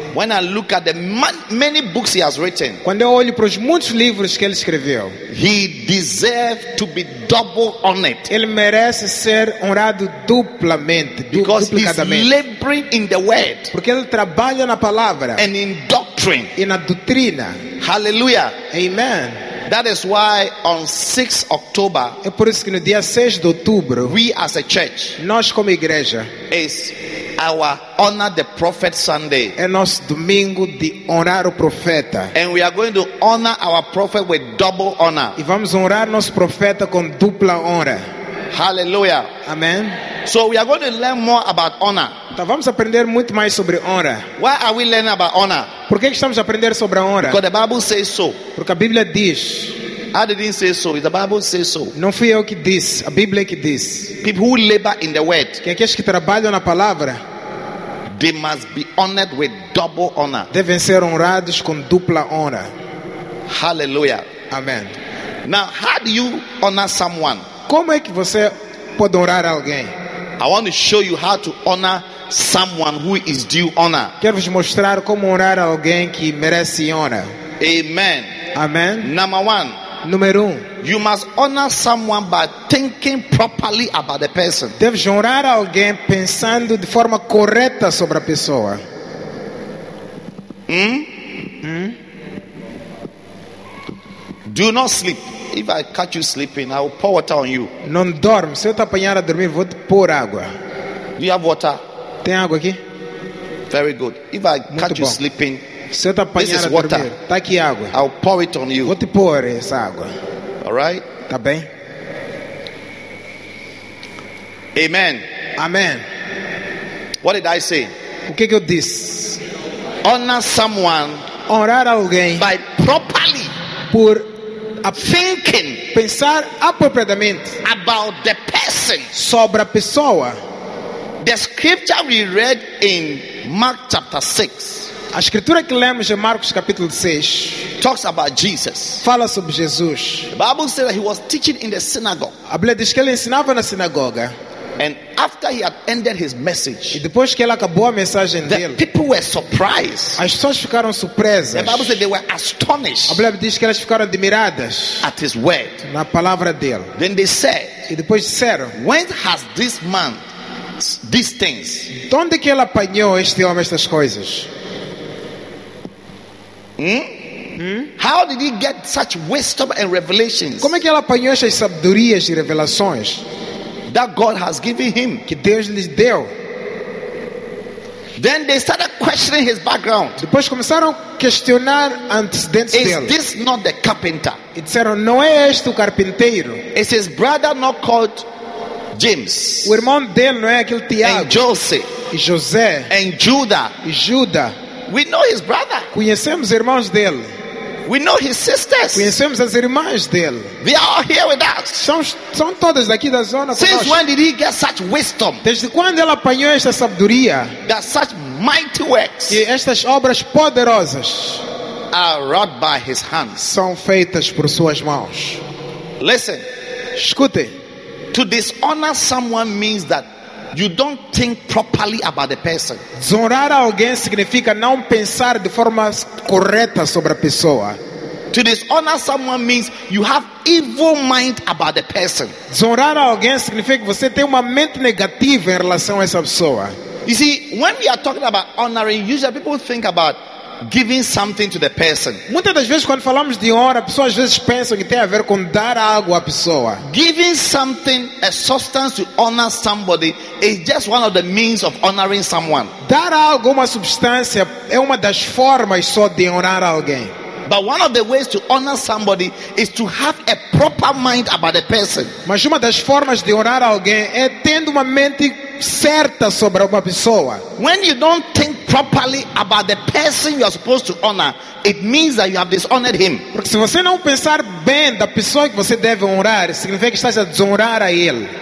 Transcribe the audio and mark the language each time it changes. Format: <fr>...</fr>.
<en>When I look at the many books he has written,</en> <pt>quando eu olho para os muitos livros que ele escreveu,</pt> <en>he deserved to be double honored.</en> <pt>Ele merece ser honrado duplamente,</pt> <en>because he's laboring in the word,</en> <pt>porque ele trabalha na palavra,</pt> <en>and in doctrine,</en> <pt>e na doutrina.</pt> <en>Hallelujah.</en> <pt>Amen.</pt> <en>That is why on 6 October,</en> <pt>é por isso que no dia 6 de outubro,</pt> <en>we as a church,</en> <pt>nós como igreja,</pt> <en>is our honor the prophet Sunday.</en> <pt>É nosso domingo de honrar o profeta.</pt> <en>And we are going to honor our prophet with double honor.</en> <pt>E vamos honrar nosso profeta com dupla honra.</pt> <en>Hallelujah.</en> <pt>Amen.</pt> <en>So we are going to learn more about honor.</en> <pt>Então vamos aprender muito mais sobre honra.</pt> <en>Why are we learning about honor?</en> <pt>Por que estamos a aprender sobre a honra?</pt> <en>Because the Bible says so.</en> <pt>Porque a Bíblia diz.</pt> <en>I didn't say so. The Bible says so.</en> <pt>Não fui eu que disse. A Bíblia que diz.</pt> <en>People who labor in the word,</en> <pt>que aqueles que trabalham na palavra,</pt> <en>they must be honored with double honor.</en> <pt>Devem ser honrados com dupla honra.</pt> <en>Hallelujah.</en> <pt>Amen.</pt> <en>Now, how do you honor someone?</en> <pt>Como é que você pode honrar alguém?</pt> <en>I want to show you how to honor someone who is due honor.</en> <pt>Quero vos mostrar como honrar alguém que merece honra.</pt> <en>Amen.</en> <pt>Amen.</pt> <en>Number one.</en> <pt>Número um,</pt> <en>you must honor someone by thinking properly about the person.</en> <pt>Deves honrar alguém pensando de forma correta sobre a pessoa.</pt> <en>Do not sleep. If I catch you sleeping, I will pour water on you.</en> <pt>Não dorme. Se eu te apanhar a dormir, vou te pôr água.</pt> <en>Do you have water?</en> <pt>Tem água aqui?</pt> <en>Very good. If I</en> <pt>Muito</pt> <en>catch</en> <pt>bom.</pt> <en>You sleeping.</en> <pt>Se eu te apanhar</pt> <en>this is</en> <pt>a dormir,</pt> <en>water.</en> <pt>Tá aqui água.</pt> <en>I'll pour it on you.</en> <pt>Vou te pôr essa água.</pt> <en>All right?</en> <pt>Tá bem?</pt> <en>Amen.</en> <pt>Amen.</pt> <en>What did I say?</en> <pt>O que eu disse?</pt> <en>Honor someone.</en> <pt>Honrar alguém.</pt> <en>By properly.</en> <pt>Por</pt> <en>a thinking.</en> <pt>Pensar apropriadamente.</pt> <en>About the person.</en> <pt>Sobre a pessoa.</pt> <en>The scripture we read in Mark chapter 6.</en> <pt>A escritura que lemos em Marcos capítulo 6</pt> <en>talks about Jesus.</en> <pt>Fala sobre Jesus.</pt> <en>The Bible says that he was teaching in the synagogue.</en> <pt>A Bíblia diz que ele ensinava na sinagoga.</pt> <en>And after he had ended his message,</en> <pt>e depois que ele acabou a mensagem</pt> <en>the</en> <pt>dele,</pt> <en>people were surprised.</en> <pt>As pessoas ficaram surpresas.</pt> <en>The Bible says they were astonished.</en> <pt>A Bíblia diz que elas ficaram admiradas</pt> <en>at his word.</en> <pt>Na palavra dele.</pt> <en>Then they said,</en> <pt>e depois disseram,</pt> <en>when has this man these things?</en> <pt>De onde que ele apanhou este homem estas coisas?</pt> <en>How did he get such wisdom and revelations?</en> <pt>Como é que ele apanhou essas sabedorias e revelações?</pt> <en>That God has given him.</en> <pt>Que Deus lhe deu.</pt> <en>Then they started questioning his background.</en> <pt>Depois começaram a questionar antecedentes dele.</pt> <en>Is this not the carpenter?</en> <pt>E disseram, não é este o carpinteiro?</pt> <en>Is his brother not called James?</en> <pt>O irmão dele não é aquele Tiago?</pt> <en>And Joseph.</en> <pt>E José.</pt> <en>And Judah.</en> <pt>E Juda.</pt> <en>We know his brother.</en> <pt>Conhecemos irmãos dele.</pt> <en>We know his sisters.</en> <pt>Conhecemos as irmãs dele.</pt> <en>They are all here with us.</en> <pt>São todas daqui da zona.</pt> <en>Since conosco. When did he get such wisdom?</en> <pt>Desde quando ele apanhou esta sabedoria?</pt> <en>That such mighty works.</en> <pt>E estas obras poderosas.</pt> <en>Are wrought by his hands.</en> <pt>São feitas por suas mãos.</pt> <en>Listen.</en> <pt>Escute.</pt> <en>To dishonor someone means that you don't think properly about the person.</en> <pt>Desonrar alguém significa não pensar de forma correta sobre a pessoa.</pt> <en>To dishonor someone means you have evil mind about the person.</en> <pt>Desonrar alguém significa que você tem uma mente negativa em relação a essa pessoa.</pt> <en>You see, when we are talking about honoring, usually people think about giving something to the person.</en> <pt>Muitas das vezes quando falamos de honra, pessoas às vezes pensam que tem a ver com dar algo à pessoa.</pt> <en>Giving something, a substance to honor somebody, is just one of the means of honoring someone.</en> <pt>Dar algo, uma substância, é uma das formas só de honrar alguém.</pt> <en>But one of the ways to honor somebody is to have a proper mind about the person.</en> <pt>Mas uma das formas de honrar alguém é tendo uma mente certa sobre uma pessoa.</pt> <en>When you don't think properly about the person you are supposed to honor, it means that you have dishonored him.</en> <pt>Porque se você não pensar bem da pessoa que você deve honrar, significa que estás a desonrar a ele.</pt>